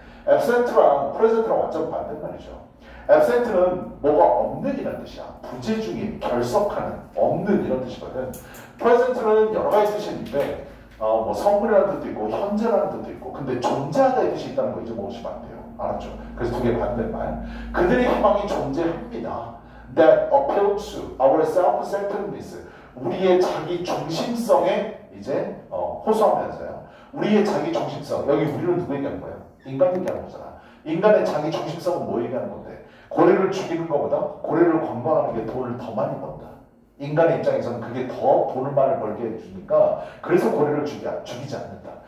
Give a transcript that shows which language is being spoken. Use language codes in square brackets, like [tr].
[ko] Absent랑 present랑 완전 반대 말이죠. Absent는 뭐가 없는 이란 뜻이야. 부재 중인, 결석하는, 없는 이런 뜻이거든. Present는 여러 가지 뜻이 있는데 뭐 성분이라는 뜻도 있고 현재라는 뜻도 있고 근데 존재하다의 뜻이 있다는 거 잊어먹으시면 안 돼요. 알았죠? 그래서 두 개 반대말. 그들의 희망이 존재합니다. [en] That appeals to our self-centeredness. [ko] 우리의 자기 중심성에 이제 호소하면서요. 우리의 자기 중심성. 여기 우리는 누구 얘기하는 거예요? 인간 얘기하는 거잖아. 인간의 자기 중심성은 뭐 얘기하는 건데? 고래를 죽이는 것보다 고래를 관망하는 게 돈을 더 많이 번다. 인간의 입장에서는 그게 더 돈을 많이 벌게 해주니까 그래서 고래를 죽이지 않는다.